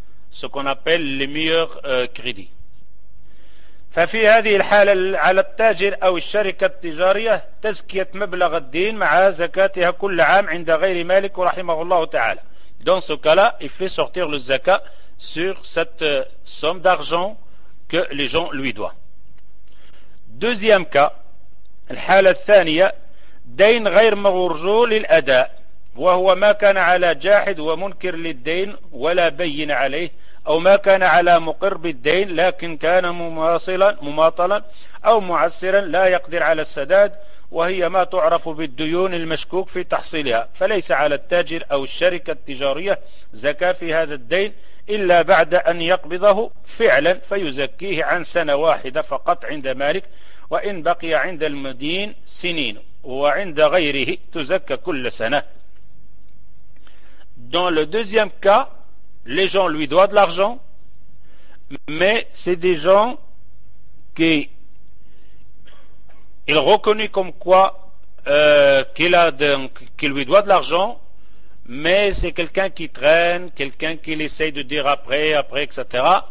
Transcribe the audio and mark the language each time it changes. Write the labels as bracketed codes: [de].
[fr] Ce qu'on appelle les meilleurs crédits. [ar] ففي هذه الحالة على التاجر أو الشركة التجارية تزكية مبلغ الدين مع زكاتها كل عام عند غير مالك رحمه الله تعالى. [fr] Dans ce cas-là, il fait sortir le zakat sur cette somme d'argent que les gens lui doivent. Deuxième cas, [ar] الحالة الثانية دين غير مرجول للأداء وهو ما كان على جاحد ومنكر للدين ولا بين عليه أو ما كان على مقر بالدين لكن كان مماطلا أو معسرا لا يقدر على السداد وهي ما تعرف بالديون المشكوك في تحصيلها فليس على التاجر أو الشركة التجارية زكاة في هذا الدين إلا بعد أن يقبضه فعلا فيزكيه عن سنة واحدة فقط عند مالك وإن بقي عند المدين سنين وعند غيره تزكى كل سنة. [fr] Dans le deuxième cas, les gens lui doivent de l'argent, mais c'est des gens qui il reconnaît comme quoi qu'il a donc qu'il lui doit de l'argent, mais c'est quelqu'un qui traîne, quelqu'un qui essaye de dire après, etc.